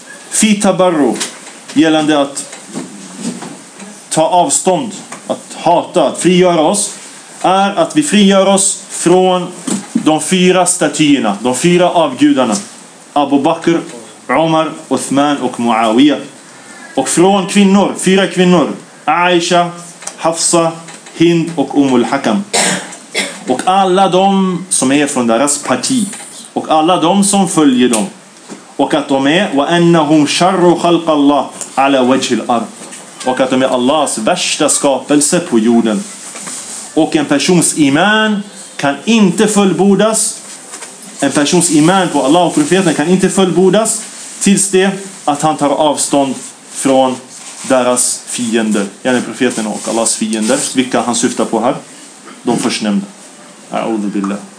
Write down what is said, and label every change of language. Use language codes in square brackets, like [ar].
[sv] fi tabarru, gällande att ta avstånd, att hata, att frigöra oss, är att vi frigör oss från de 4 statyerna, de 4 avgudarna, Abu Bakr, Umar, Uthman och Muawiyah, och från kvinnor, 4 kvinnor, Aisha, Hafsa, Hind och Umul Hakam. Och alla de som är från deras parti. Och alla de som följer dem. Och att de är [ar] وَأَنَّهُمْ شَرُّ خَلْقَ اللَّهِ عَلَى وَجْهِ الْأَرْضِ. [sv] Och att de är Allahs värsta skapelse på jorden. Och en persons iman kan inte fullbordas. En persons iman på Allah och profeten kan inte fullbordas tills det att han tar avstånd från deras fiender, gärna profeten och Allahs fiender, vilka han syftar på här, de förstnämnda. A'udhu billah.